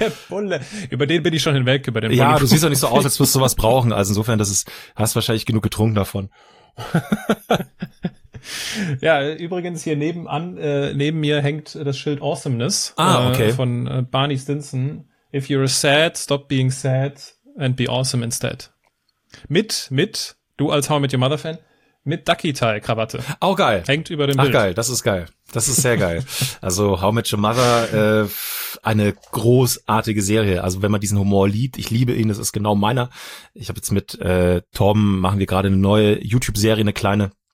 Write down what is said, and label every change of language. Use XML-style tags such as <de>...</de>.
<de>Der Bulle, über den bin ich schon hinweg, über den Ja, du siehst doch nicht so aus, als wirst du was brauchen. Also insofern, hast wahrscheinlich genug getrunken davon. Ja, übrigens hier nebenan, neben mir hängt das Schild Awesomeness von Barney Stinson.</de> <en>If you're sad, stop being sad and be awesome instead.</en> <de>Mit, du als How I Met Your Mother Fan, mit Ducky Tie Krawatte. Auch geil. Hängt über dem Ach, Bild. Ach geil, das ist geil. Das ist sehr geil. Also How I Met Your Mother, eine großartige Serie. Also wenn man diesen Humor liebt, ich liebe ihn, das ist genau meiner. Ich habe jetzt mit Tom, machen wir gerade eine neue YouTube-Serie, eine kleine.</de>